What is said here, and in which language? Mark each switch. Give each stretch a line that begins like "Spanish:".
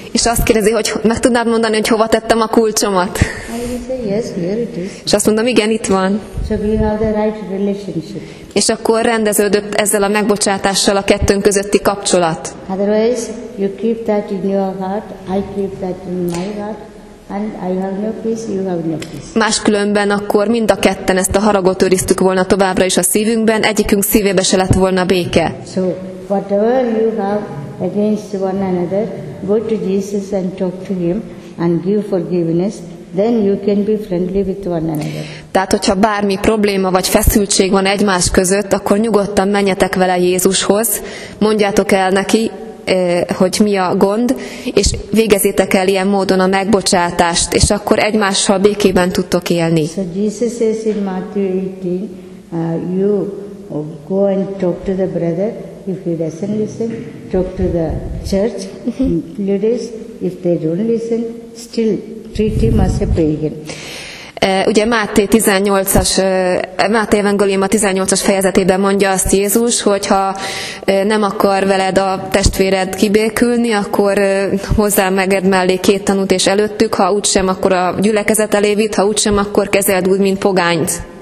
Hungarian: És azt kérdezi, hogy meg tudnád mondani, hogy hova tettem a kulcsomat?
English: I will say, yes, here it is.
Hungarian: És azt mondom, igen, itt van.
English: So we have the right relationship.
Hungarian: És akkor rendeződött ezzel a megbocsátással a kettőnk közötti kapcsolat.
English: Otherwise, you keep that in your heart, I keep that in my heart. And I have no peace, you have no peace.
Hungarian: Máskülönben akkor mind a ketten ezt a haragot őriztük volna továbbra is a szívünkben, egyikünk szívébe se lett volna béke.
English: So, whatever you have against one another, go to Jesus and talk to him and give forgiveness, then you can be friendly with one another.
Hungarian: Tehát, hogyha bármi probléma vagy feszültség van egymás között, akkor nyugodtan menjetek vele Jézushoz, mondjátok el neki, hogy mi a gond, és végezzétek el ilyen módon a megbocsátást, és akkor egymással békében tudtok élni.
English: So Jesus says in Matthew 18, you go and talk to the brother, if he doesn't listen, talk to the church leaders, if they don't listen, still treat him as a pagan.
Hungarian: Ugye Máté evangéliuma 18-as fejezetében mondja azt Jézus, hogy ha nem akar veled a testvéred kibékülni, akkor hozzá meged mellé 2 tanút és előttük, ha úgysem, akkor a gyülekezet elé vitt, ha úgysem, akkor kezeld úgy, mint pogányt.